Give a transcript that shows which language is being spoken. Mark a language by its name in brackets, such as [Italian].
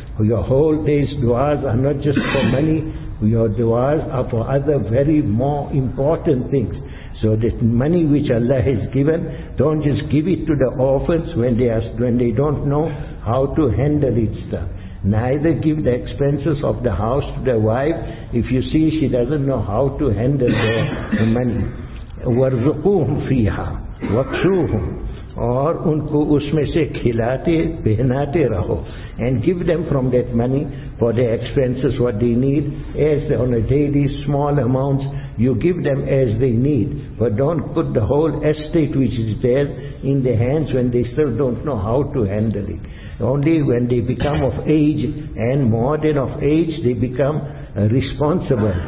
[English] Your whole day's du'as are not just for money, your du'as are for other very more important things. So that money which Allah has given, don't just give it to the orphans when they don't know how to handle it stuff. Neither give the expenses of the house to the wife if you see she doesn't know how to handle the money. [Arabic] وَرْزُقُوهُمْ فِيهَا وَقْسُوهُمْ [Urdu] اور ان کو اس میں سے کھلاتے پہناتے رہو. [English] And give them from that money for their expenses, what they need, as on a daily small amounts. You give them as they need, but don't put the whole estate which is there in their hands when they still don't know how to handle it. Only when they become of age and more than of age, they become responsible.